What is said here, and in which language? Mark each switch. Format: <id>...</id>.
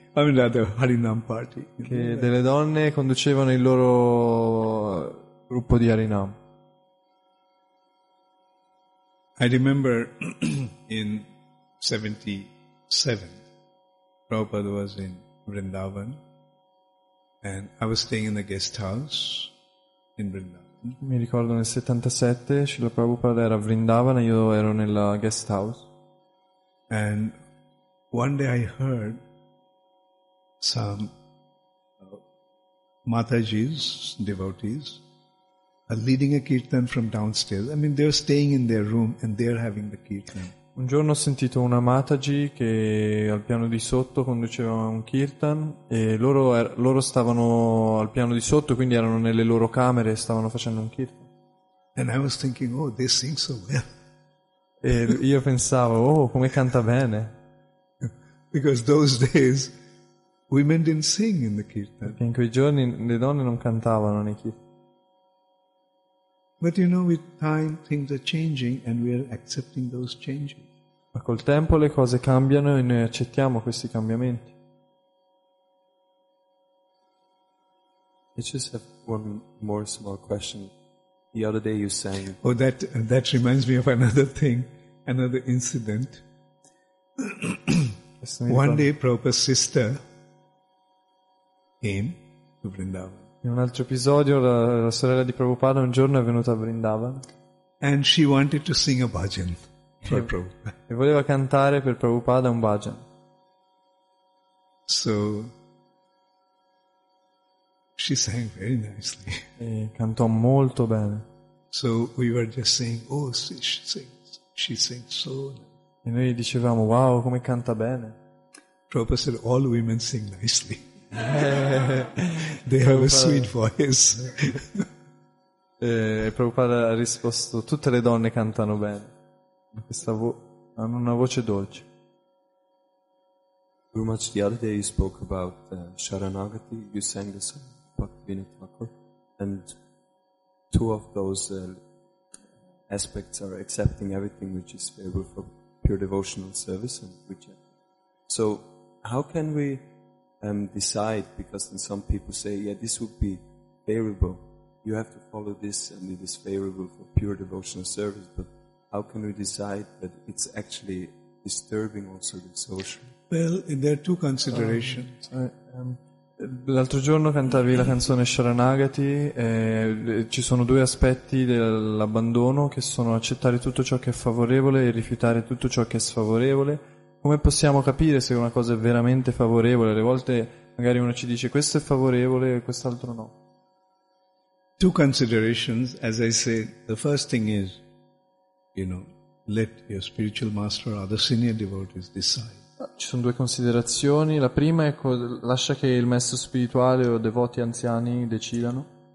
<en>I mean, the Harinam party.</en> <it>Che delle donne conducevano il loro gruppo di Harinam.</it> <en>I remember in 77, Prabhupada was in Vrindavan, and I was staying in a guest house in Vrindavan.</en> <it>Mi ricordo nel 77, Srila Prabhupada era a Vrindavan e io ero nella guest house.</it> <en>And one day I heard some Mataji's devotees are leading a kirtan from downstairs. I mean, they are staying in their room and they are having the kirtan.</en> <it>Un giorno ho sentito una Mataji che al piano di sotto conduceva un kirtan e loro stavano al piano di sotto, quindi erano nelle loro camere e stavano facendo un kirtan.</it> <en>And I was thinking, oh, they sing so well.</en> <it>E io pensavo, oh, come canta bene.</it> <en>Because those days women didn't sing in the kirtan.</en> <it>In quei giorni le donne non cantavano nei kirtan.</it> <en>But you know, with time things are changing and we are accepting those changes.</en> <it>Ma col tempo le cose cambiano e noi accettiamo questi cambiamenti.</it> <en>I just have one more small question. The other day you sang... Oh, that reminds me of another thing, another incident. One day Prabhupada's sister came to Vrindavan.</en> <it>In un altro episodio la sorella di Prabhupada un giorno è venuta a Vrindavan.</it> <en>And she wanted to sing a bhajan for Prabhupada.</en> <it>E voleva cantare per Prabhupada un bhajan.</it> <en>So she sang very nicely.</en> <it>E cantò molto bene.</it> <en>So we were just saying, oh, she sings so nice.</en> <it>E noi dicevamo, wow, come canta bene.</it> <en>Prabhupada said, all women sing nicely. They have a sweet voice.</en> <it>Prabhupada ha risposto, tutte le donne cantano bene. Hanno una voce dolce.</it> <en>Guru, the other day you spoke about Sharanagati. You sang the song, Bhaktivinoda Thakur. And two of those aspects are accepting everything which is favorable for pure devotional service and rejecting. So how can we decide, because then some people say, yeah, this would be favorable, you have to follow this and it is favorable for pure devotional service, but how can we decide that it's actually disturbing also the social? Well, there are two considerations.</en> <it>L'altro giorno cantavi la canzone Sharanagati, ci sono due aspetti dell'abbandono che sono accettare tutto ciò che è favorevole e rifiutare tutto ciò che è sfavorevole. Come possiamo capire se una cosa è veramente favorevole? Alle volte magari uno ci dice questo è favorevole e quest'altro no.</it> <en>Two considerations, as I said, the first thing is, you know, let your spiritual master or other senior devotees decide.</en> <it>Ci sono due considerazioni. La prima è lascia che il maestro spirituale o devoti anziani decidano.</it>